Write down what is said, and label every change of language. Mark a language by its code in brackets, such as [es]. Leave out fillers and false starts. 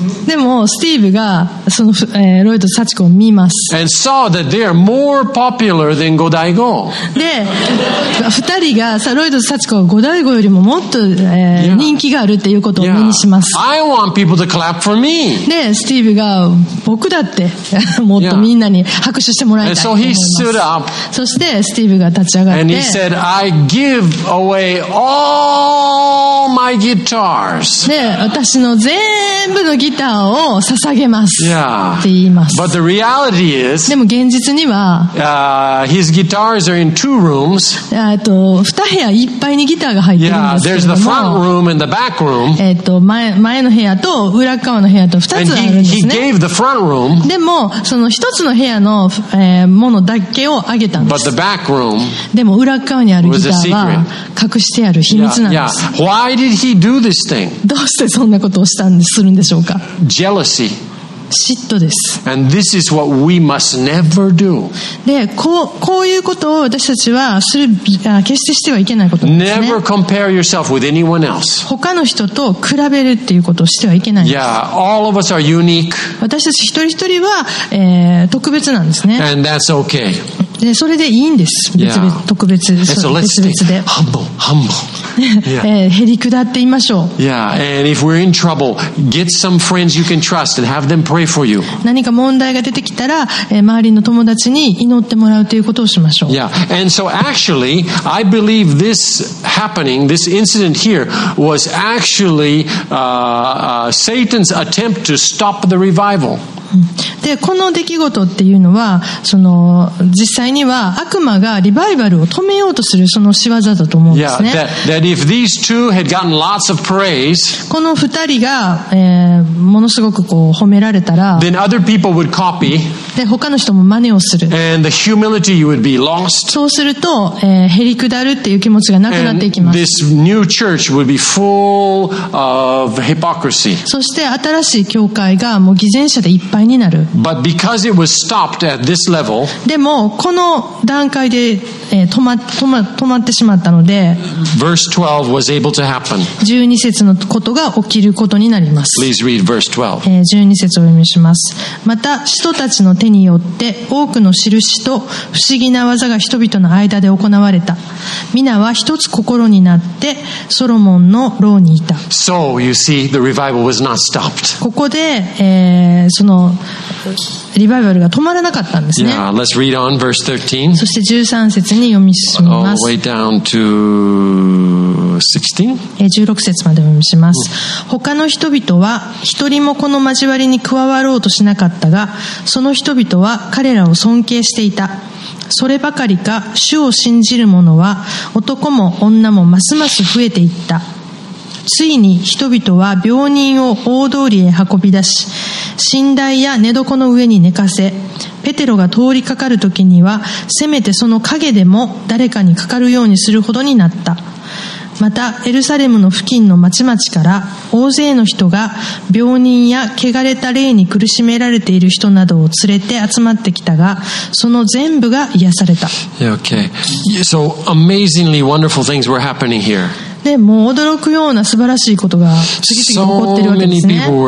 [ja] でもスティーブがその、ロイドとサチコを見ます。 [en] And saw that they are more popular than Godaigo. [ja] で、二人がさロイドとサチコは Godaigo よりももっと、人気があるっていうことを目にします。 [en] I want people to clap for me. [ja] で、スティーブが僕だってもっとみんなに拍手してもらいたいと思います。 [en] And so he stood up. [ja] そしてスティーブが立ち上がって。 [en] And he said, I give away all my guitars. [ja] で、私の全部のギターを捧げますって言います。 [en] But the reality is, [ja] でも現実には、 [en] his guitars are in two rooms. [ja] 2部屋いっぱいにギターが入ってるんですけども。 [en] Yeah, there's the front room and the back room. [ja] 前の部屋と裏側の部屋と2つあるんですね。 [en] And he gave the front room. [ja] でもその1つの部屋の、ものだけをあげたんです。 [en] But the back room. [ja] でも裏側にあるギターは隠してある秘密なんです。 [en] Why did he do this thing? [ja] どうしてそんなことをするんでしょうか。 [en] Jealousy. [ja] 嫉妬です。 [en] And this is what we must never do. [ja] で、こういうことを私たちはする、決してしてはいけないことですね。 [en] Never compare yourself with anyone else. [ja] 他の人と比べるっていうことをしてはいけないです。 [en] Yeah, all of us are unique. [ja] 私たち一人一人は、特別なんですね。 [en] And that's okay. [ja] で、それでいいんです。別々、特別、そう、別々で。 [en] And so let's stay humble. [ja] へりくだっていましょう。 [en] Yeah, and if we're in trouble, get some friends you can trust and have them pray for you. [ja] 何か問題が出てきたら、周りの友達に祈ってもらうということをしましょう。 [en] Yeah, and so actually, I believe this happening, this incident here, was actually Satan's attempt to stop the revival. [ja] でこの出来事っていうのはその実際には悪魔がリバイバルを止めようとするその仕業だと思うんですね。 [en] Yeah, that if these two had gotten lots of praise, [ja] この二人が、ものすごくこう褒められたら [en] then other people would copy, [ja] で他の人も真似をする [en] and the humility would be lost, [ja] そうすると、へりくだるっていう気持ちがなくなっていきます。 [en] And this new church would be full of hypocrisy. [ja] そして新しい教会がもう偽善者でいっぱいになる。 [en] But because it was stopped at this level, [ja] でもこの段階で、止まってしまったので [en] verse 12 was able to happen. [ja] 12節のことが起きることになります。 [en] Please read verse 12. [ja] 12節を読みします。また使徒たちの手によって多くの印と不思議な技が人々の間で行われた。皆は一つ心になってソロモンの牢にいた。 [en] So you see, the revival was not stopped. [ja] ここで、そのリバイバルが止まらなかったんですね。 [en] Yeah, let's read on, verse 13. [ja] そして13節に読み進みます。 [en] All the way down to 16? [ja] 16節まで読み進みます、うん、他の人々は一人もこの交わりに加わろうとしなかったが、その人々は彼らを尊敬していた。そればかりか主を信じる者は男も女もますます増えていった。ついに人々は病人を大通りへ運び出し、寝台や寝床の上に寝かせ、ペテロが通りかかる時にはせめてその影でも誰かにかかるようにするほどになった。またエルサレムの付近の町々から大勢の人が病人や汚れた霊に苦しめられている人などを連れて集まってきたが、その全部が癒された。 [en] Okay. So amazingly wonderful things were happening here. [ja] でも驚くような素晴らしいことが次々と起こっているわけですね。